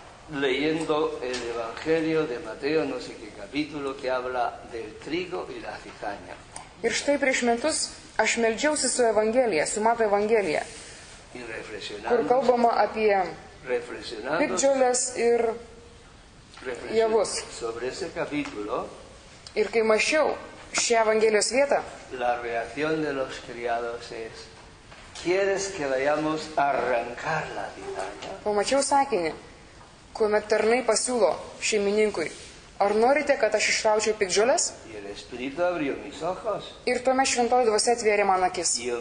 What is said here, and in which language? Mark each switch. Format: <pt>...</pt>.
<es>Leyendo el Evangelio de Mateo, no sé qué capítulo, que habla del trigo y la cizaña.</es> <lt>Ir štai prieš metus aš meldžiausi su Evangelija, su Mato Evangelija, kur kalbama apie piktžoles ir javus.</lt> <es>Sobre ese capítulo,</es> <lt>ir kai mašiau šią Evangelijos vietą,</lt> <es>la reacción de los criados es: ¿Quieres que vayamos a arrancar la cizaña?</es> <lt>Pamačiau sakinį, kuomet tarnai pasiūlo šeimininkui: ar norite, kad aš išraučiau piktžoles? Ir tuomet šventoji dvasia atvėrė man akis.</lt>